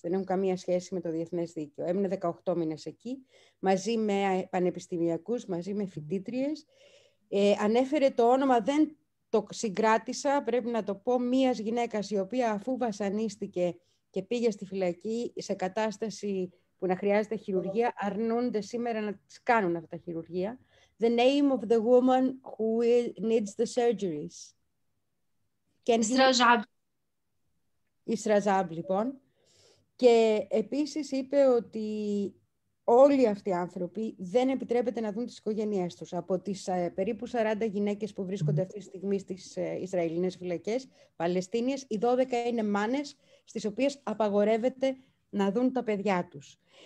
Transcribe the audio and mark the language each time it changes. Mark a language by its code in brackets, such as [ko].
[el] Δεν έχουν καμία σχέση με το διεθνές δίκαιο. Έμεινε 18 μήνες εκεί μαζί με πανεπιστημιακούς, μαζί με φοιτήτριες. Ανέφερε το όνομα, δεν το συγκράτησα, πρέπει να το πω, μίας γυναίκας η οποία αφού βασανίστηκε και πήγε στη φυλακή σε κατάσταση που να χρειάζεται χειρουργία, αρνούνται σήμερα να τις κάνουν αυτά τα χειρουργία. [en] The name of the woman who needs the surgeries. [el] Ισραζάμπ. Ισραζάμπ, λοιπόν. Και επίσης είπε ότι όλοι αυτοί οι άνθρωποι δεν επιτρέπεται να δουν τις οικογένειές τους. Από τις περίπου 40 γυναίκες που βρίσκονται αυτή τη στιγμή στις Ισραηλινές φυλακές, Παλαιστίνιες, οι 12 είναι μάνες στις οποίες απαγορεύεται να δουν τα παιδιά τους.